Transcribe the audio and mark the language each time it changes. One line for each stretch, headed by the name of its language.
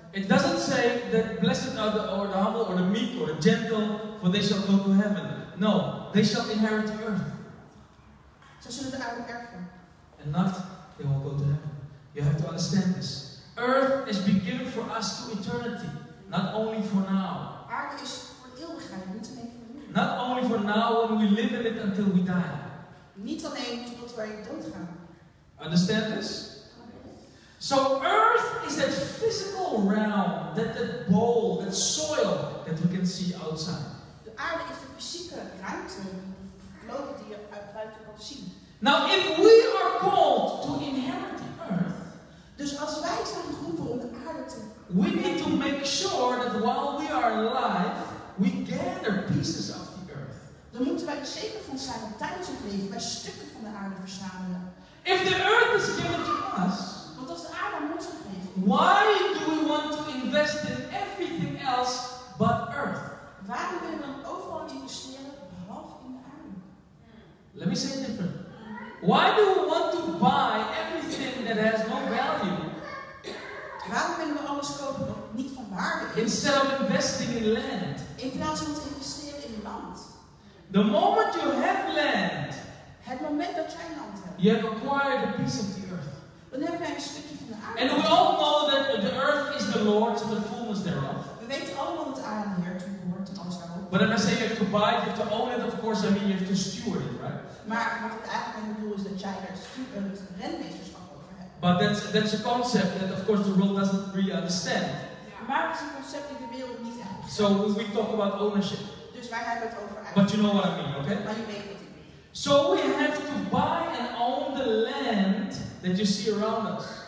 English: It doesn't say that blessed are the humble or the meek or the gentle, for they shall go to heaven. No, they shall inherit the earth.
Dutch: Ze zullen de aarde erven.
English: And and not, they won't go to heaven. You have to understand this. Earth is being given for us to eternity, not only for now.
Dutch: Aarde is voor eeuwigheid, niet alleen voor nu.
English: Not only for now when we live in it until we die.
Dutch: Niet alleen totdat wij doodgaan.
English: Understand this? So Earth is that physical realm, that bowl, that soil that we can see outside.
Dutch: De aarde is de fysieke ruimte, bloot die je uit buiten kan zien.
English: Now if we are called to inherit the Earth,
Dutch: dus als wij zijn geroepen om de aarde te,
English: we need to make sure that while we are alive, we gather pieces of the Earth.
Dutch: Dan moeten wij er zeker van zijn om tijdens het leven bij stukken van de aarde verzamelen.
English: If the Earth is given to us. Why do we want to invest in everything else but Earth?
Dutch: Waarom willen we dan overal investeren behalve in de aarde?
English: Let me say it different. Why do we want to buy everything that has no value?
Dutch: Waarom willen we alles kopen wat niet van waarde is?
English: Instead of investing in land.
Dutch: In plaats van te investeren in land.
English: The moment you have land.
Dutch: Het moment dat jij land hebt.
English: You have acquired a piece of the Earth.
Dutch: Dan hebben wij een stukje.
English: And we all know that the earth is the Lord's and the fullness thereof.
Dutch: We weten allemaal dat de aarde de Heer toebehoort en alles daarop.
English: But if I say you have to buy it, you have to own it, of course I mean you have to steward it, right?
Dutch: Maar wat ik eigenlijk bedoel is dat jij daar rentmeesterschap over hebt.
English: But that's a concept that of course the world doesn't really understand. Yeah.
Dutch: Maar het is een concept die de wereld niet echt begrijpt.
English: So we talk about ownership.
Dutch: Dus wij hebben het over eigenlijk.
English: But you know what I mean, okay?
Dutch: Maar je weet wat ik bedoel.
English: So we have to buy and own the land that you see around us.